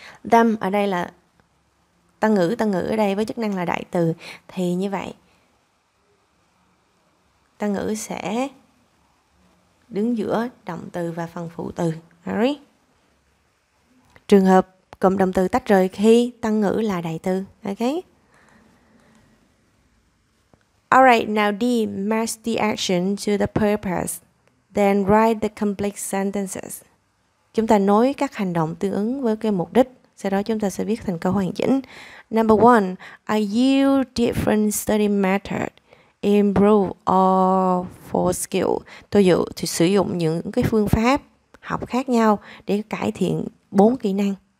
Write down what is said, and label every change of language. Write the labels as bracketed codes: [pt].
[vi] Them ở đây là tân ngữ ở đây với chức năng là đại từ, thì như vậy tân ngữ sẽ đứng giữa động từ và phần phụ từ. Alright. Trường hợp cụm động từ tách rời khi tân ngữ là đại từ. [en] Okay. Alright, now D, match the action to the purpose, then write the complete sentences. [vi] Chúng ta nối các hành động tương ứng với cái mục đích, sau đó chúng ta sẽ viết thành câu hoàn chỉnh. [en] Number one, I use different study method improve all four skills. [vi] Tôi sử dụng những cái phương pháp học khác nhau để cải thiện bốn kỹ năng.